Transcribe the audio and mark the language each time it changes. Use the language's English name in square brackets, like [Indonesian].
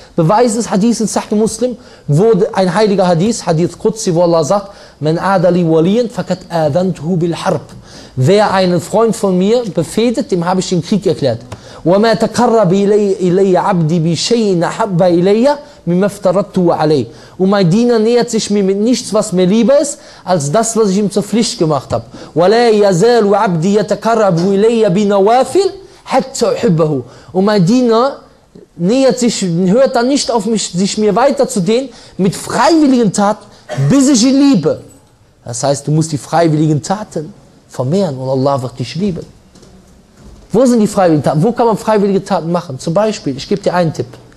[German] Beweis ist Hadith in Sahih Muslim, wo ein heiliger Hadith Qudsi, wo Allah sagt, [Arabic] man adali waliyan fakat adantuhu bil harb. [German] Wer einen Freund von mir befehdet, dem habe ich den Krieg erklärt. [Arabic] وما تقرب إلي عبدي بشيء أحب إلي مما افترضت عليه. [German] Und mein Diener nähert sich mir mit nichts, was mir lieber ist, als das, was ich ihm zur Pflicht gemacht habe. [Arabic] ولا يزال عبدي يتقرب إلي بنوافل حتى أحبه. [German] Und mein Diener nähert sich, hört dann nicht auf mich, sich mir weiterzudehnen mit freiwilligen Taten, bis ich ihn liebe. Das heißt, du musst die freiwilligen Taten vermehren und Allah wird dich lieben. Wo sind die freiwilligen Taten? Wo kann man freiwillige Taten machen? Zum Beispiel, ich gebe dir einen Tipp.